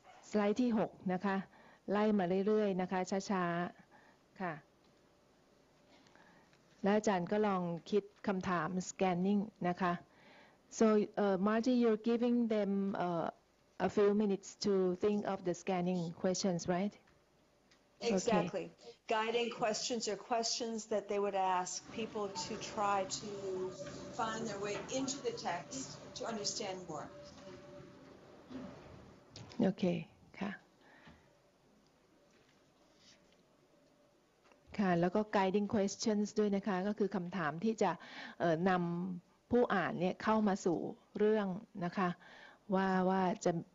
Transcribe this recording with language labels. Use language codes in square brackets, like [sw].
[th] สไลด์ที่6นะคะไล่มาเรื่อยๆนะคะช้าๆค่ะและอาจารย์ก็ลองคิดคำถาม scanning นะคะ [en] so Marty you're giving them a few minutes to think of the scanning questions right exactly okay. guiding questions or questions that they would ask people to try to find their way into the text to understand more [th] okay ค่ะค่ะแล้วก็ guiding questions ด้วยนะคะก็คือคำถามที่จะนำผู้อ่านเนี่ยเข้ามาสู่เรื่องนะคะว่าจะ